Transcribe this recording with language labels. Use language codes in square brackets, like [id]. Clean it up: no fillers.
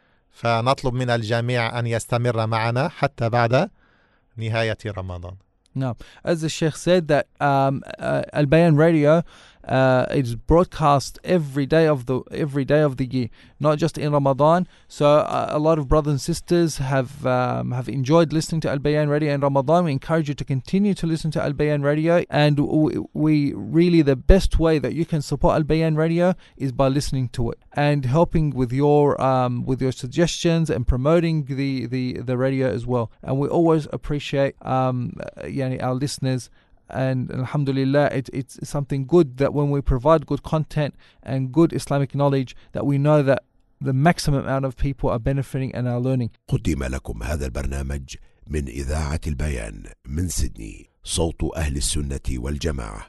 [ar] فنطلب من الجميع أن يستمر معنا حتى بعد نهاية رمضان. نعم. [en] As the Sheikh said that Al Bayan Radio is broadcast every day of the year, not just in Ramadan. So a lot of brothers and sisters have enjoyed listening to Al Bayan Radio in Ramadan. We encourage you to continue to listen to Al Bayan Radio, and we really the best way that you can support Al Bayan Radio is by listening to it and helping with your suggestions and promoting the radio as well. And we always appreciate our listeners. And alhamdulillah, it's something good that when we provide good content and good Islamic knowledge, that we know that the maximum amount of people are benefiting and are learning. [ar] قدم لكم هذا البرنامج من إذاعة البيان من سيدني، صوت أهل السنة والجماعة.